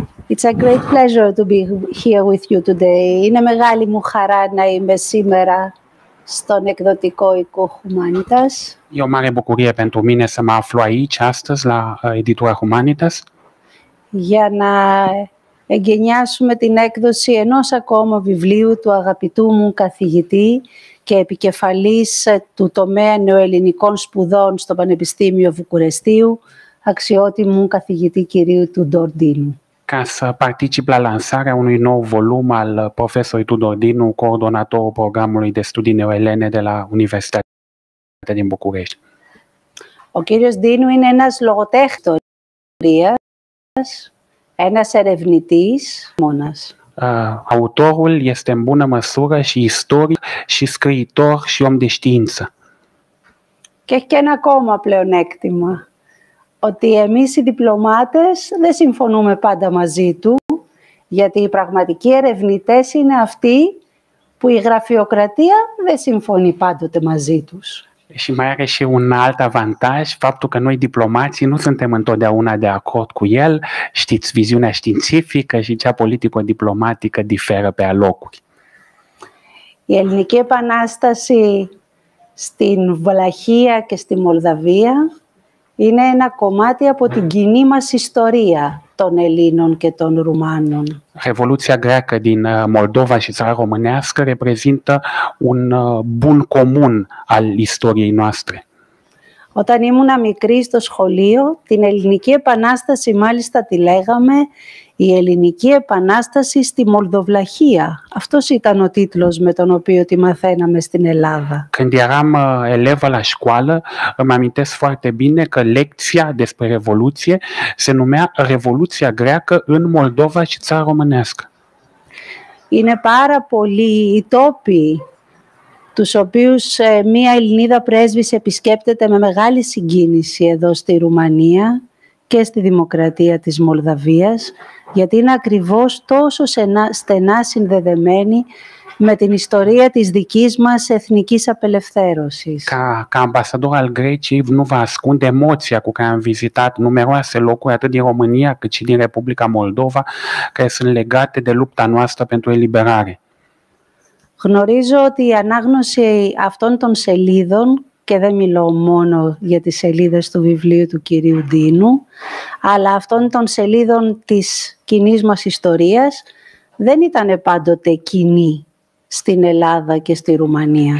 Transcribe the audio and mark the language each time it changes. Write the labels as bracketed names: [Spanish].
[English] It's a great pleasure to be here with you today. [Greek] Είναι μεγάλη μου χαρά να είμαι σήμερα στον εκδοτικό οίκο Humanitas. [Romanian] E o mare bucurie pentru mine să mă aflu aici astăzi la editura Humanitas. [Greek] Για να εγκαινιάσουμε την έκδοση ενός ακόμα βιβλίου του αγαπητού μου καθηγητή και επικεφαλής του τομέα νεοελληνικών σπουδών στο Πανεπιστήμιο Βουκουρεστίου, αξιότιμου καθηγητή κυρίου Τούντορ Ντίνου. [Romanian] Ca să particip la lansarea unui nou volum al profesorului Tudor Dinu, coordonatorul programului de studii neoelene de la Universitatea din București. [Greek] O Kyrios [Romanian] Dinu este un logotehnitor, un [Greek] erevnitis monas. [Romanian] Autorul este în bună măsură și istoric și scriitor și om de știință. [Greek] Και έχει ένα ακόμα πλεονέκτημα. Ότι εμείς οι διπλωμάτες δεν συμφωνούμε πάντα μαζί του, γιατί οι πραγματικοί ερευνητές είναι αυτοί που η γραφειοκρατία δεν συμφωνεί πάντοτε μαζί τους. [Romanian] Și mai are și un alt avantaj, faptul că noi diplomații nu suntem întotdeauna de acord cu el. Știți, viziunea științifică și cea politico-diplomatică diferă pe alocuri. [Greek] Η ελληνική επανάσταση στην Βλαχία και στη Μολδαβία είναι ένα κομμάτι από την κοινή μας ιστορία των Ελλήνων και των Ρουμάνων. [Romanian] Revoluția greacă din Moldova și Țara Românească reprezintă un bun comun al istoriei noastre. [Greek] Όταν ήμουν μικρή στο σχολείο, την ελληνική επανάσταση μάλιστα τη λέγαμε η ελληνική επανάσταση στη Μολδοβλαχία. Αυτός ήταν ο τίτλος με τον οποίο τη μαθαίναμε στην Ελλάδα. [Romanian] Când eram elevă la școală, îmi amintesc foarte bine că lecția despre revoluție se numea Revoluția greacă în Moldova și Țara Românească. [Greek] Είναι πάρα πολύ οι τόποι τους οποίους μία Ελληνίδα πρέσβης επισκέπτεται με μεγάλη συγκίνηση εδώ στη Ρουμανία και στη Δημοκρατία της Μολδαβίας, γιατί είναι ακριβώς τόσο στενά συνδεδεμένη με την ιστορία της δικής μας εθνικής απελευθέρωσης. [Romanian] Ca ambasador al Greciei, nu vă ascund emoția cu care am vizitat numeroase locuri atât din România cât și din Republica Moldova, care sunt legate de lupta noastră pentru eliberare. [Greek] Γνωρίζω ότι η ανάγνωση αυτών των σελίδων, και δεν μιλώ μόνο για τις σελίδες του βιβλίου του κυρίου Ντίνου, αλλά αυτών των σελίδων της κοινής μας ιστορίας, δεν ήταν πάντοτε κοινή στην Ελλάδα και στη Ρουμανία.